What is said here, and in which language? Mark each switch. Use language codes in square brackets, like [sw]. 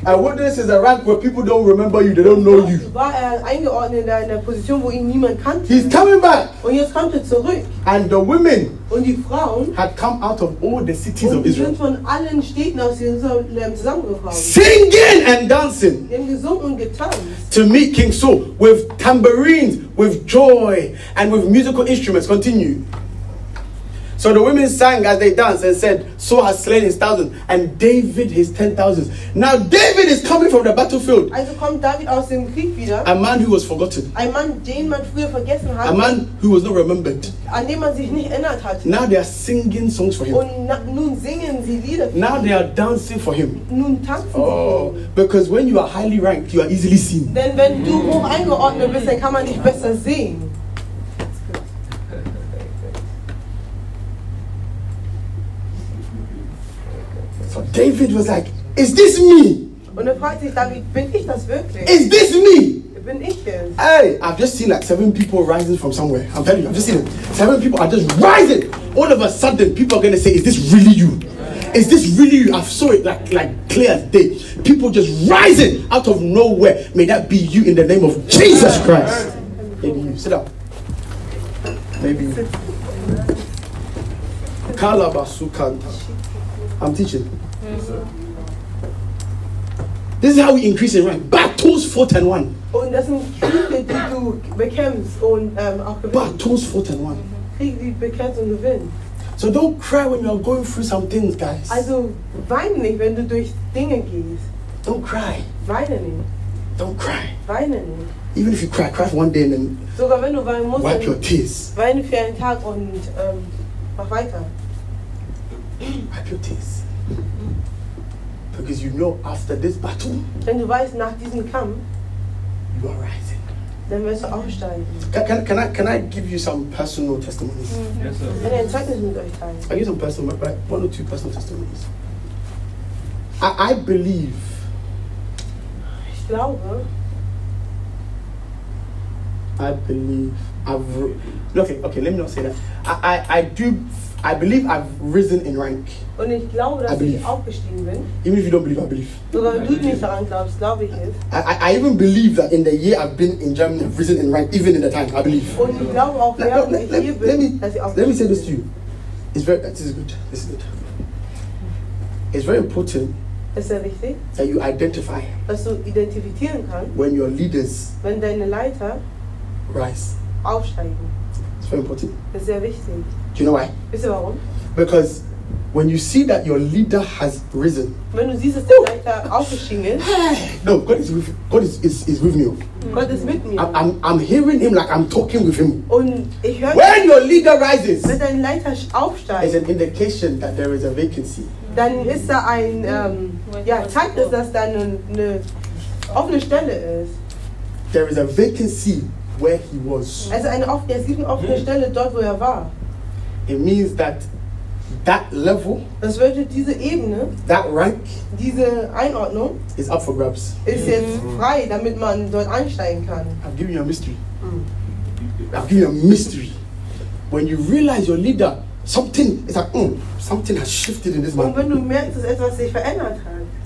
[en] A wilderness is a rank where people don't remember you, they don't know you. [de] War eingeordnet in einer Position, wo ihn niemand kannte. [en] He's coming back. [de] Und jetzt kommt er zurück. [en] And the women [de] und die Frauen [en] had come out of all the cities [de] und [en] of Israel. [de] Sind von allen Städten aus Jerusalem zusammengekommen. [en] Singing and dancing. [de] Die haben gesungen und getanzt. [en] To meet King Saul with tambourines, with joy and with musical instruments. Continue. So the women sang as they danced and said, Saul has slain his thousands and David his 10,000s. Now David is coming from the battlefield. [de] Also kommt David aus dem Krieg wieder. [en] A man who was forgotten. [de] Ein Mann, den man früher vergessen hatte. [en] A man who was not remembered. [de] An dem man sich nicht erinnert hatte. [en] Now they are singing songs for him. [de] Und nun singen sie Lieder für [en] now [de] ihn. [en] They are dancing for him. [de] Nun tanzen sie. [en] Because when you are highly ranked, you are easily seen. [de] Denn wenn du hoch eingeordnet bist, dann kann man dich besser sehen. [en] David was like, is this me? [de] Und er fragt sich, David, bin ich das wirklich? [en] Is this me? [de] Bin ich es? [en] Hey, I've just seen like 7 people rising from somewhere. I'm telling you, I've just seen it. 7 people are just rising. All of a sudden, people are going to say, is this really you? Is this really you? I've saw it like clear as day. People just rising out of nowhere. May that be you in the name of Jesus Christ. Maybe you. Sit up. Maybe you. Kalabasukanta. I'm teaching. Yes, this is how we increase in rank. Battles fought and won. [de] Und das sind Kriege, die du bekämpfst und auch gewinnst. [en] Battles fought and won. [de] Kriege, die du bekämpfst und gewinnst. [en] So don't cry when you're going through some things, guys. [de] Also weine nicht, wenn du durch Dinge gehst. [en] Don't cry. [de] Weine nicht. [en] Don't cry. [de] Weine nicht. [en] Even if you cry, cry for one day and then [de] sogar wenn du weinen musst, [en] wipe your tears. [de] Weine für einen Tag und mach weiter. [en] Wipe your tears. Because you know after this battle, [de] denn du weißt, nach diesem Kampf, [en] you are rising. [de] Dann wirst du aufsteigen. [en] Can I give you some personal testimonies? Mm-hmm. Yes, sir. [de] Ein Zeugnis mit euch teilen. [en] I'll give some personal, right? One or two personal testimonies. I believe. [de] Ich glaube. [en] I believe I've okay. Let me not say that. I believe I've risen in rank. [de] Und ich glaube, dass ich aufgestiegen bin. [en] Even if you don't believe, I believe. [de] Sogar du nicht daran glaubst, glaube ich es. [en] I even believe that in the year I've been in Germany, I've risen in rank, even in the time, I believe. [de] Und ich glaube auch, [en] let me say this to you. This is good. It's very important. [de] Ist sehr wichtig. [en] That you identify. [de] Dass du identifizieren kannst. [en] When your leaders. [de] Wenn deine Leiter. [en] Rise. [de] Aufsteigen. [en] It's very important. [de] Das ist sehr wichtig. [en] Do you know why? [de] Wisst ihr warum? [en] Because when you see that your leader has risen. [de] Wenn du siehst, dass der Leiter aufgestiegen ist. [en] No, God is with me. [de] Gott ist mit mir. [en] I'm hearing him like I'm talking with him. [de] Und ich höre. [en] When your leader rises. [de] Wenn dein Leiter aufsteigt. [en] Is an indication that there is a vacancy. [de] Dann ist da ein zeigt es, dass da eine offene Stelle ist. [en] There is a vacancy where he was. [de] Also es gibt eine offene Stelle dort, wo er war. [en] It means that level. [de] Das bedeutet diese Ebene. [en] That rank. [de] Diese Einordnung. [en] Is up for grabs. [de] Ist jetzt frei, damit man dort einsteigen kann. [en] I've given you a mystery. When you realize your leader, something has shifted in this man. [de] Und wenn du merkst, dass etwas sich verändert hat.